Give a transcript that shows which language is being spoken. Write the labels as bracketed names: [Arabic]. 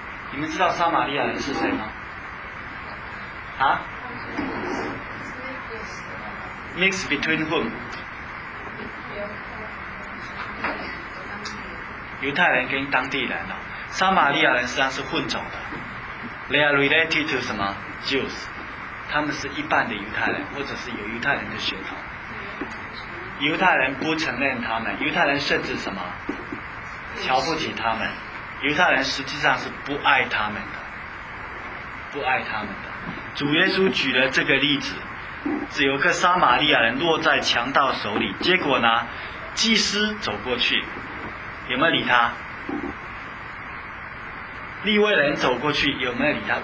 [Chinese] 你们知道撒玛利亚人是谁吗？啊？ [English] Mix between whom？ [Chinese] 犹太人跟当地人啊，撒玛利亚人实际上是混种的。 [English] They are related to [Chinese] 什么 [English] Jews？ [Chinese] 他们是一半的犹太人，或者是有犹太人的血统。犹太人不承认他们，犹太人甚至什么瞧不起他们，犹太人实际上是不爱他们的，不爱他们的。主耶稣举了这个例子，只有个撒玛利亚人落在强盗手里，结果呢祭司走过去有没有理他，利未人走过去有没有理他。